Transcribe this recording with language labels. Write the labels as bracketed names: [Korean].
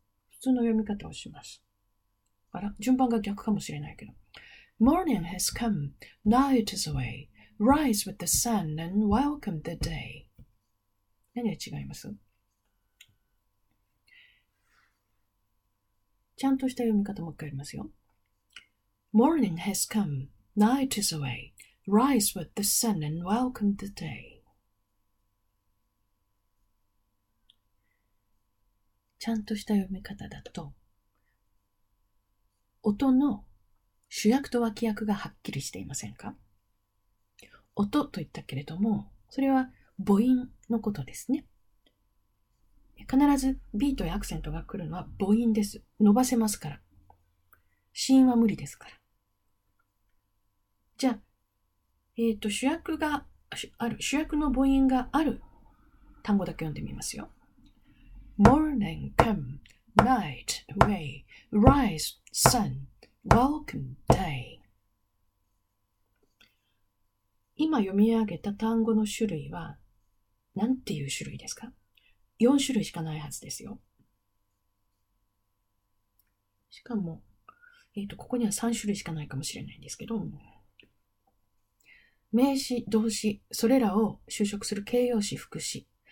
[Japanese] 普通の読み方をします。あら、順番が逆かもしれないけど。 [English] Morning has come, night is away. Rise with the sun and welcome the day. [Japanese] 何が違います？ちゃんとした読み方もう一回やりますよ。 [English] Morning has come, night is away. Rise with the sun and welcome the day. [Japanese] ちゃんとした読み方だと、音の主役と脇役がはっきりしていませんか？音と言ったけれども、それは母音のことですね。必ずビートやアクセントが来るのは母音です。伸ばせますから。子音は無理ですから。じゃあ、主役がある、主役の母音がある単語だけ読んでみますよ。 [English] Morning, come, night, away, rise, sun, welcome, day. [Japanese] 今読み上げた単語の種類は何ていう種類ですか？ 4種類しかないはずですよ。しかも、ここには3種類しかないかもしれないんですけど、名詞、動詞、それらを修飾する形容詞、副詞。